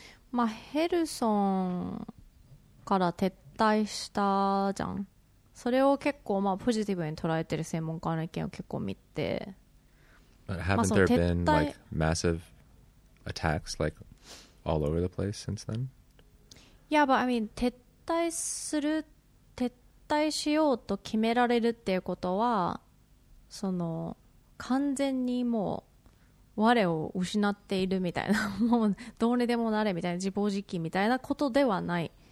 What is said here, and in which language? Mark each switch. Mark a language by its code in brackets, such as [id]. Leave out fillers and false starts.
[ja] まあ、ヘルソンから撤退したじゃん。それを結構、まあ、ポジティブに捉えてる専門家の意見を結構見て。 [en] But haven't there been like massive attacks like all over the place since then? Yeah, but I mean, [ja] 撤退する撤退しようと決められるっていうことは、その完全にもう我を失っているみたいな、もうどうにでもなれみたいな、自暴自棄みたいなことではない。